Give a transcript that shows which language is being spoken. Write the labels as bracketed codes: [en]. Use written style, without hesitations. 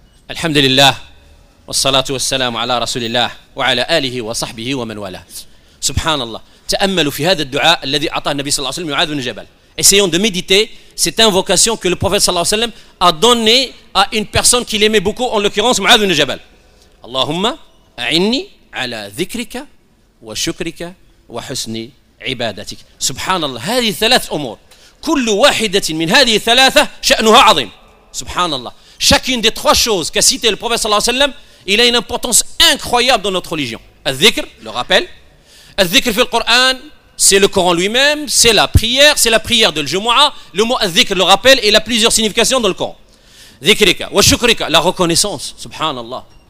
[ar] الحمد لله والصلاة والسلام على رسول الله وعلى آله وصحبه ومن والاه. سبحان الله. تأملوا في هذا الدعاء الذي أعطاه النبي صلى الله عليه وسلم معاذ بن جبل. [fr] Essayons de méditer cette invocation que le prophète صلى الله عليه وسلم a donné à une personne qu'il aimait beaucoup, en l'occurrence معاذ بن جبل. [ar] اللهم أعني على ذكرك وشكرك وحسن عبادتك. سبحان الله. هذه ثلاث أمور كل واحدة من هذه الثلاثة شأنها عظيم. سبحان الله. [fr] Chacune des trois choses qu'a cité le prophète sallallahu alayhi wa sallam, il a une importance incroyable dans notre religion. Al-dhikr, le rappel. [ar] Al-dhikr fil Qur'an, [fr] c'est le Coran lui-même, c'est la prière, de l'Jumu'ah. Le mot al-dhikr, le rappel, il a plusieurs significations dans le Coran. [ar] Dhikrika wa shukrika, [fr] la reconnaissance, subhanallah.